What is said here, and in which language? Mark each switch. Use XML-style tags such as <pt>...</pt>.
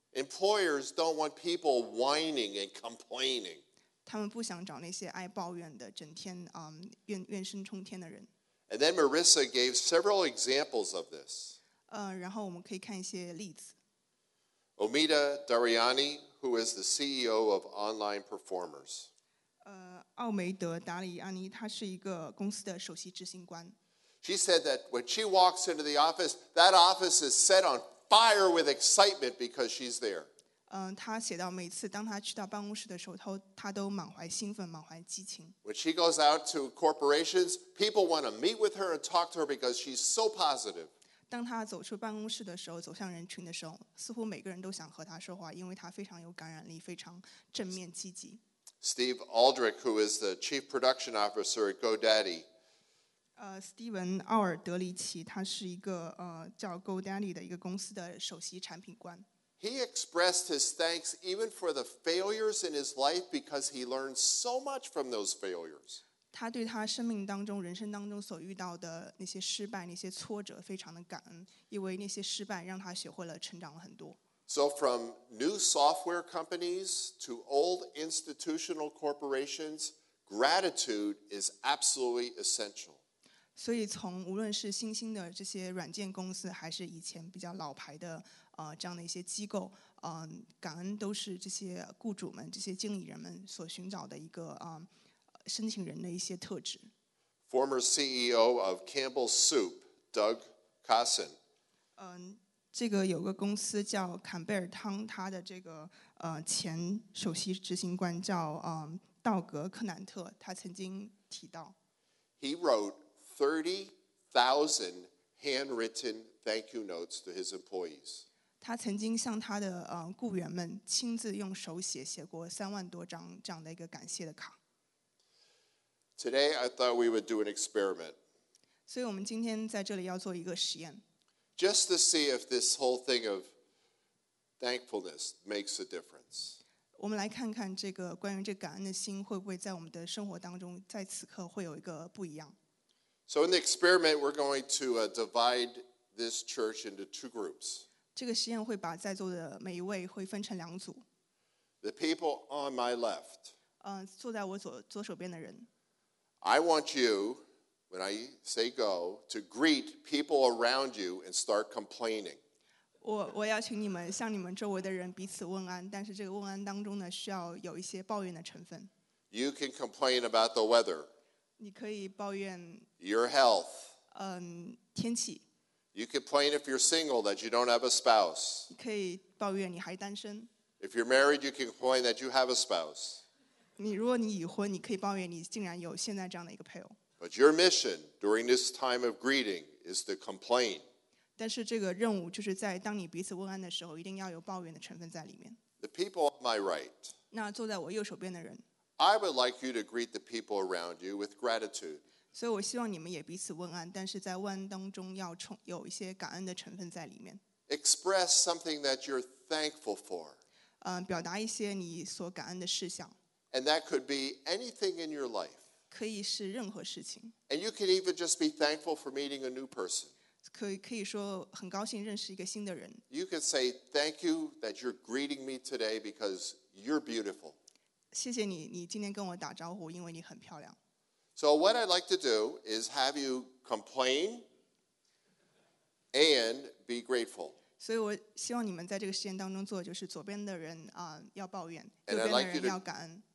<en>Employers don't want people whining and complaining.</en> <zh>他们不想找那些爱抱怨的，整天怨声冲天的人。</zh> <en>And then Marissa gave several examples of this.</en> <zh>然后我们可以看一些例子。</zh> <en>Omida Dariani, who is the CEO of Online Performers.</en> <zh>奥梅德·达里安尼，他是一个公司的首席执行官。</zh> <en>She said that when she walks into the office, that office is set on fire with excitement because she's there.</en> <zh>她写到每次当她去到办公室的时候，她都满怀兴奋，满怀激情。</zh> <en>When she goes out to corporations, people want to meet with her and talk to her because she's so positive.</en> <zh>当她走出办公室的时候，走向人群的时候，似乎每个人都想和她说话，因为她非常有感染力，非常正面积极。</zh> <en>Steve Aldrich, who is the chief production officer at GoDaddy.</en> <zh>Steven 奥尔德里奇，他是一个叫 GoDaddy 的一个公司的首席产品官。</zh> <en>He expressed his thanks even for the failures in his life because he learned so much from those failures.</en> <zh>他对他生命当中、人生当中所遇到的那些失败、那些挫折非常的感恩，因为那些失败让他学会了、成长了很多。</zh> <en>So from new software companies to old institutional corporations, gratitude is absolutely essential.</en> <zh>所以从无论是新兴的这些软件公司，还是以前比较老牌的这样的一些机构，感恩都是这些雇主们、这些经理人们所寻找的一个申请人的一些特质。</zh> <en>Former CEO of Campbell's Soup, Doug Cossen.</en> <zh>这个有个公司叫坎贝尔汤，他的这个前首席执行官叫道格·克南特，他曾经提到</zh> <en>，He wrote 30,000 handwritten thank you notes to his employees。</en> <zh>他曾经向他的雇员们亲自用手写写过30,000多张这样的一个感谢的卡。</zh> <en>Today I thought we would do an experiment。</en> <zh>所以我们今天在这里要做一个实验。</zh> <en>Just to see if this whole thing of thankfulness makes a difference.</en> <zh>我们来看看这个关于这感恩的心会不会在我们的生活当中在此刻会有一个不一样。</zh> <en>So in the experiment, we're going to divide this church into two groups.</en> <zh>这个实验会把在座的每一位会分成两组。</zh> <en>The people on my left.</en> <zh>坐在我左手边的人。</zh> <en>I want you. When I say go, to greet people around you and start complaining.</en> <zh>我邀请你们向你们周围的人彼此问安，但是这个问安当中呢，需要有一些抱怨的成分。</zh> <en>You can complain about the weather.</en> <zh>你可以抱怨。</zh> <en>Your health.</en> <zh>天气。</zh> <en>You complain if you're single that you don't have a spouse.</en> <zh>你可以抱怨你还单身。</zh> <en>If you're married, you can complain that you have a spouse.</en> <zh>你如果你已婚，你可以抱怨你竟然有现在这样的一个配偶。</zh> <en>But your mission during this time of greeting is to complain.</en> <zh>但是这个任务就是在当你彼此问安的时候，一定要有抱怨的成分在里面。</zh> <en>The people on my right.</en> <zh>那坐在我右手边的人。</zh> <en>I would like you to greet the people around you with gratitude.</en> <zh>所以我希望你们也彼此问安，但是在问安当中要有一些感恩的成分在里面。</zh> <en>Express something that you're thankful for.</en> <zh>表达一些你所感恩的事项。</zh> <en>And that could be anything in your life.</en> <zh>可以是任何事情。</zh> <en>And you can even just be thankful for meeting a new person.</en> <zh>可以说很高兴认识一个新的人。</zh> <en>You can say thank you that you're greeting me today because you're beautiful.</en> <zh>谢谢你，你今天跟我打招呼，因为你很漂亮。</zh> <en>So what I'd like to do is have you complain and be grateful.</en> <zh>所以我希望你们在这个实验当中做，就是左边的人要抱怨，右边的人要感恩。</zh>